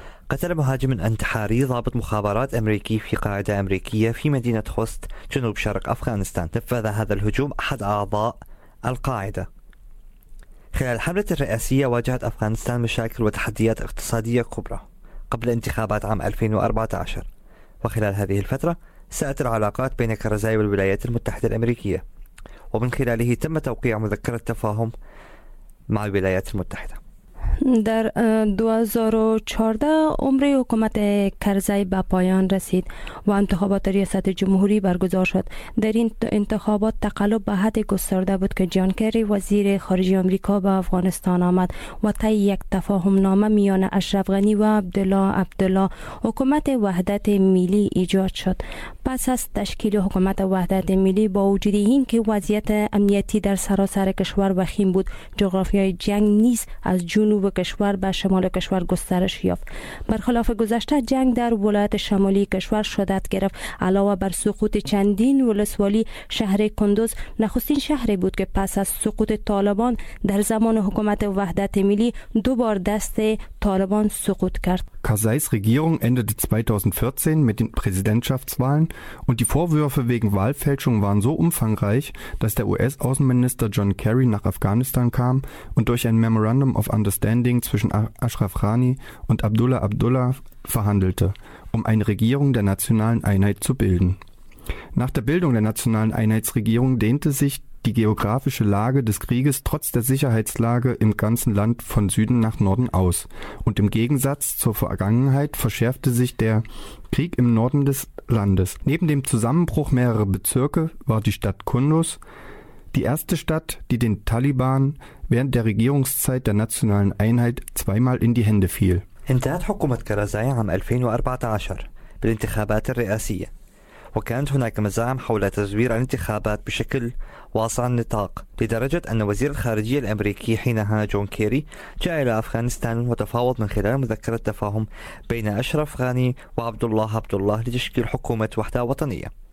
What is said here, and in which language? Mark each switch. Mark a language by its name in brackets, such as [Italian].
[Arabic] قتل مهاجم انتحاري ضابط مخابرات أمريكي في قاعدة أمريكية في مدينة خوست جنوب شرق أفغانستان نفذ هذا الهجوم أحد أعضاء القاعدة خلال الحملة الرئاسية واجهت أفغانستان مشاكل وتحديات اقتصادية كبرى قبل انتخابات عام 2014 وخلال هذه الفترة ساءت العلاقات بين كرزاي والولايات المتحدة الأمريكية ومن خلاله تم توقيع مذكرة تفاهم مع الولايات المتحدة [Persian] در 2014 عمر حکومت کرزی به پایان رسید و انتخابات ریاست جمهوری برگزار شد. در این انتخابات تقلب به حد گسترده بود که جان کری وزیر خارجه آمریکا به افغانستان آمد و طی یک تفاهم نامه میان اشرف غنی و عبدالله عبدالله حکومت وحدت ملی ایجاد شد. پس از تشکیل حکومت وحدت ملی با وجود این که وضعیت امنیتی در سراسر کشور وخیم بود، جغرافیای جنگ نیز از جنوب کشور به شمال کشور گسترش یافت. برخلاف گذشته جنگ در ولایت شمالی کشور شدت گرفت. علاوه بر سقوط چندین ولسوالی، شهر کندوز نخستین شهری بود که پس از سقوط طالبان در زمان حکومت وحدت ملی دوبار دست طالبان سقوط کرد. [German] Karzais Regierung endete 2014 mit den Präsidentschaftswahlen und die Vorwürfe wegen Wahlfälschung waren so umfangreich, dass der US-Außenminister John Kerry nach Afghanistan kam und durch ein Memorandum of Understanding zwischen Ashraf Ghani und Abdullah Abdullah verhandelte, um eine Regierung der nationalen Einheit zu bilden. Nach der Bildung der nationalen Einheitsregierung dehnte sich die geografische Lage des Krieges trotz der Sicherheitslage im ganzen Land von Süden nach Norden aus. Und im Gegensatz zur Vergangenheit verschärfte sich der Krieg im Norden des Landes. Neben dem Zusammenbruch mehrerer Bezirke war die Stadt Kunduz die erste Stadt, die den Taliban während der Regierungszeit der nationalen Einheit zweimal in die Hände fiel. In der Hukumat Karzai am 2014 bei den Intikhabat al-Rئاسية. [Arabic] وكانت هناك مزاعم حول تزوير الانتخابات بشكل واسع النطاق لدرجة أن وزير الخارجية الأمريكي حينها جون كيري جاء إلى أفغانستان وتفاوض من خلال مذكرة تفاهم بين أشرف غاني وعبد الله عبد الله لتشكيل حكومة وحدة وطنية